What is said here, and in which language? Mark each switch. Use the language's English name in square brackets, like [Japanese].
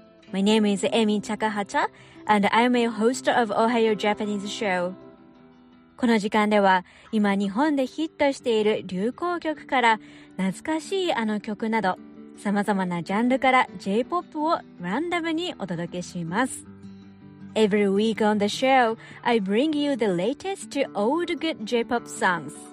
[English] My name is Emi Takahata and I'm a host of Ohayou Japanese show. [Japanese] この時間では今日本でヒットしている流行曲から懐かしいあの曲など様々なジャンルから J-POP をランダムにお届けします。 [English] Every week on the show, I bring you the latest old good J-POP songs.